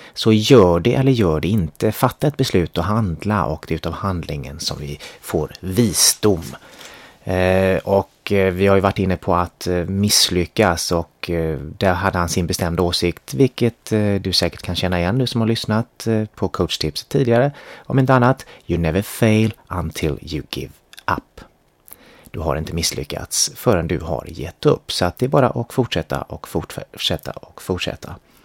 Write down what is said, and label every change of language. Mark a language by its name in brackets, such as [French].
[Swedish] Så gör det eller gör det inte. Fatta ett beslut och handla, och det är utav handlingen som vi får visdom. Och vi har ju varit inne på att misslyckas, och där hade han sin bestämda åsikt, vilket du säkert kan känna igen, du som har lyssnat på Coach Tips tidigare. Om inte annat, [English] you never fail until you give up. [Swedish] Du har inte misslyckats förrän du har gett upp. Så att det är bara att fortsätta och fortsätta och fortsätta.